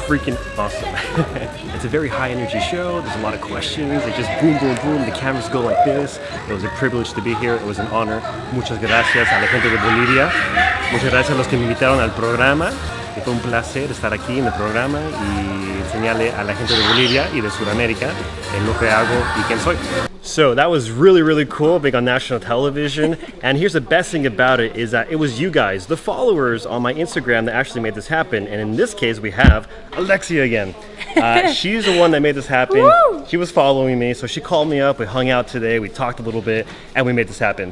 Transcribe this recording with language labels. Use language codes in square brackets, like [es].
[en] Very high energy show, there's a lot of questions, they just boom boom boom, the cameras go like this. It was a privilege to be here, it was an honor. [es] Muchas gracias a la gente de Bolivia. Muchas gracias a los que me invitaron al programa. Fue un placer estar aquí en el programa y enseñarle a la gente de Bolivia y de Sudamérica en lo que hago y quién soy. [en] So that was really, really cool, being on national television. And here's the best thing about it, is that it was you guys, the followers on my Instagram, that actually made this happen. And in this case, we have Alexia again. She's the one that made this happen. Woo! She was following me, so she called me up, we hung out today, we talked a little bit, and we made this happen.